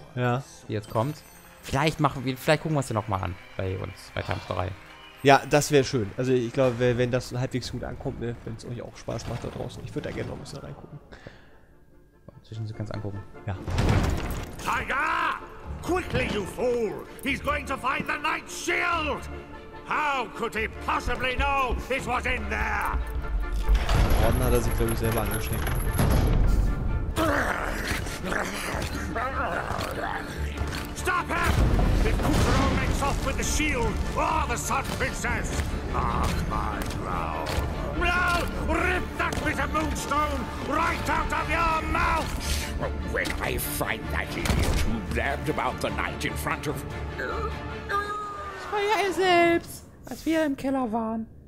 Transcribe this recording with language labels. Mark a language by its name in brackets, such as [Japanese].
[German] ja, die jetzt kommt. Vielleicht machen wir, vielleicht gucken wir es ja nochmal an bei uns, bei Times 3. Ja, das wäre schön. Also ich glaube, wenn das halbwegs gut ankommt, ne, wenn es euch auch Spaß macht da draußen. Ich würde da gerne noch ein bisschen reingucken. Zwischen so ganz angucken. Ja. [English] Tiger! Quickly, you fool! He's going to find the Night Shield! How could he possibly know it was in there? [German] Orden hat er sich, glaube ich, selber angeschenkt. [English] Stop him! If Kukuro makes off with the shield or the Sun Princess, mark my ground. Well, rip that bit of moonstone right out of your mouth! When I find that idiot who blabbed about the night in front of... [German] Feuer ihr selbst, als wir im Keller waren.